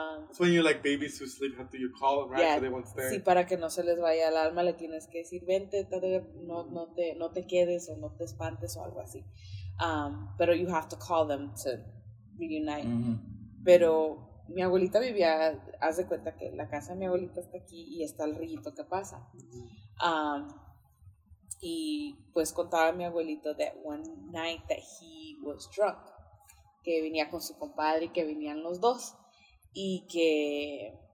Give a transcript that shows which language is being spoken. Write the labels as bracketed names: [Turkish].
[English] It's when you like babies who sleep after you call them, right? Yeah. So they won't stay. [Spanish] Sí, para que no se les vaya el alma, le tienes que decir, vente, no te quedes o no te espantes o algo así. [English] Pero you have to call them to reunite. Mm-hmm. [Spanish] Pero mi abuelita vivía, haz de cuenta que la casa de mi abuelita está aquí y está el rito que pasa. Mm-hmm. [English] Y pues contaba a mi abuelito that one night that he was drunk. [Spanish] Que venía con su compadre, que venían los dos, y que